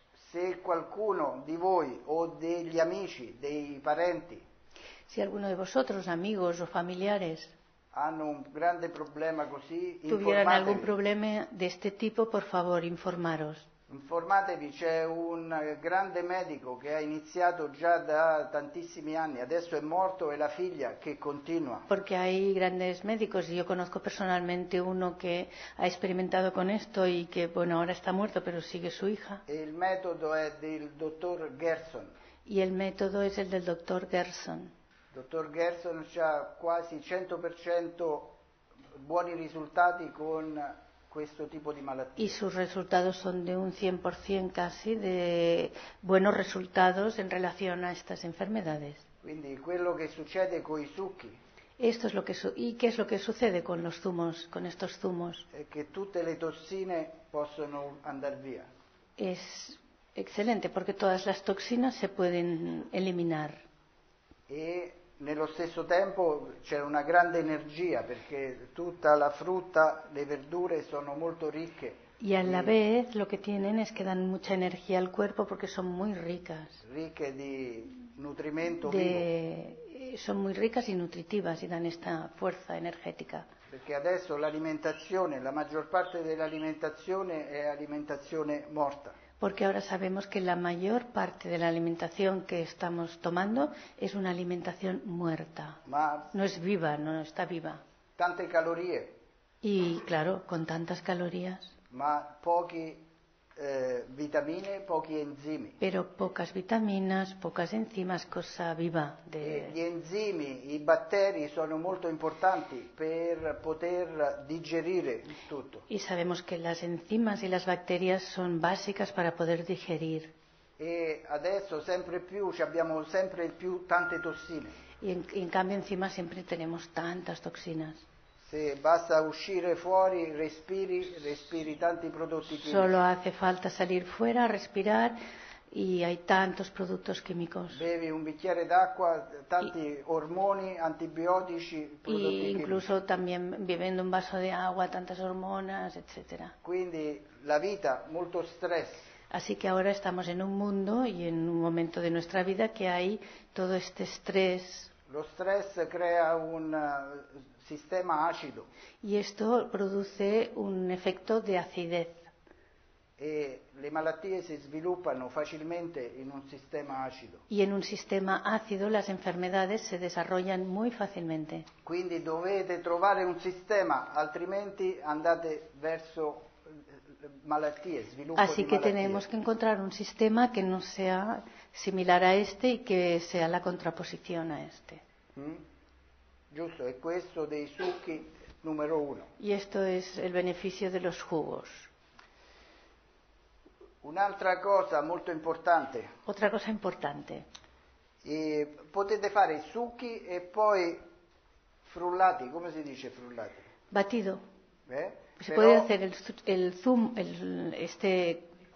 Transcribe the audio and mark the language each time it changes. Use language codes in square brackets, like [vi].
[it] Se qualcuno di voi o degli amici, dei parenti, [es] si alguno de vosotros, amigos o familiares, [it] hanno un grande problema così, [es] tuvieran algún problema de este tipo, por favor, informaros. [it] Informatevi, c'è un grande medico che ha iniziato già da tantissimi anni, adesso è morto e la figlia che continua. [es] Perché hay grandes médicos, yo conozco personalmente uno que ha experimentado con esto y que bueno, ahora está muerto, pero sigue su hija. [it] E il metodo è del dottor Gerson. [es] Y el método es el del dottor Gerson. [it] Dottor Gerson ha quasi 100% buoni risultati con questo tipo di malattia. [es] Y sus resultados son de un 100% casi de buenos resultados en relación a estas enfermedades. [it] Quindi quello che succede con i succhi. [es] Esto es lo que y qué es lo que sucede con los zumos, con estos zumos. [it] È che tutte le tossine possono andar via. [es] Es excelente porque todas las toxinas se pueden eliminar. [it] E nello stesso tempo c'è una grande energia perché tutta la frutta, le verdure sono molto ricche. [es] Y a la vez lo que tienen es que dan mucha energía al cuerpo porque son muy ricas. [it] Ricche di nutrimento vivo. [es] Son muy ricas y nutritivas y dan esta fuerza energética. [it] Perché adesso l'alimentazione, la maggior parte dell'alimentazione è alimentazione morta. [es] Porque ahora sabemos que la mayor parte de la alimentación que estamos tomando es una alimentación muerta. [it] Ma [es] no es viva, no está viva. [it] Tante calorie. [es] Y claro, con tantas calorías. [it] Ma pochi vitamine, pochi enzimi. [es] Pero pocas vitaminas, pocas enzimas, cosa viva. [it] Gli enzimi, i batteri sono molto importanti per poter digerire tutto. [es] Y sabemos que las enzimas y las bacterias son básicas para poder digerir. [it] E adesso sempre più ci abbiamo sempre più tante tossine. [es] Y en cambio encima siempre tenemos tantas toxinas. [it] Se basta uscire fuori, respiri tanti prodotti chimici. [es] Solo hace falta salir fuera, respirar y hay tantos productos químicos. [it] Bevi un bicchiere d'acqua, tanti ormoni, antibiotici, prodotti [es] incluso [it] chimici. [es] Incluso también bebiendo un vaso de agua, tantas hormonas, etcétera. [it] Quindi la vita, molto stress. [es] Así que ahora estamos en un mundo y en un momento de nuestra vida que hay todo este estrés. [it] Lo stress crea un sistema acido. [es] Y esto produce un efecto de acidez. [it] E le malattie si sviluppano facilmente in un sistema acido. [es] Y en un sistema ácido las enfermedades se desarrollan muy fácilmente. [it] Quindi dovete trovare un sistema, altrimenti andate verso malattie, sviluppo. [es] Así que tenemos que encontrar un sistema que no sea similar a este y que sea la contraposición a este. [it] Giusto, è questo dei succhi numero uno. [es] Y esto es el beneficio de los jugos. [it] Un'altra cosa molto importante. [es] Otra cosa importante. [it] E potete fare succhi e poi frullati, come si dice frullati? [es] Batido. Eh? Se puede hacer el zumo, este